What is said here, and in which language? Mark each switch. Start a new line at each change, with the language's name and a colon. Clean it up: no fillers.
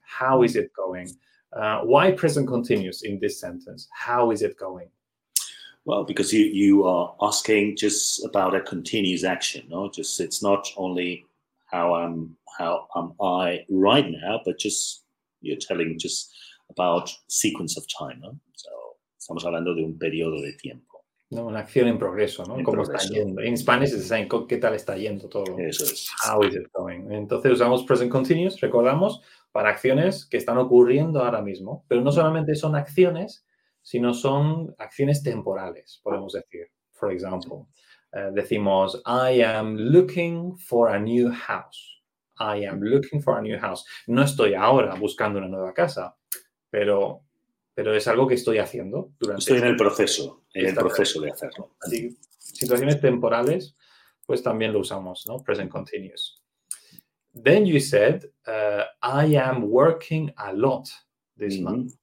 English: How is it going? Why present continuous in this sentence? How is it going? Well, because you are asking just about a continuous action, no? Just it's not only how am I right now, but just you're telling just about sequence of time, no?
Spanish: So, estamos hablando de un periodo de tiempo. No, una acción en progreso, ¿no? ¿Cómo está yendo?
English: In Spanish is saying,
Spanish: ¿qué tal está yendo todo? Eso es.
English: How is it going?
Spanish: Entonces usamos present continuous, recordamos, para acciones que están ocurriendo ahora mismo. Pero no solamente son acciones, sino son acciones temporales, podemos decir.
English: For example, decimos, I am looking for a new house. I am looking for a new house.
Spanish: No estoy ahora buscando una nueva casa, pero es algo que estoy haciendo durante... Estoy en el proceso de hacerlo. Así, situaciones temporales, pues también lo usamos, ¿no?
English: Present continuous. Then you said, I am working a lot this month.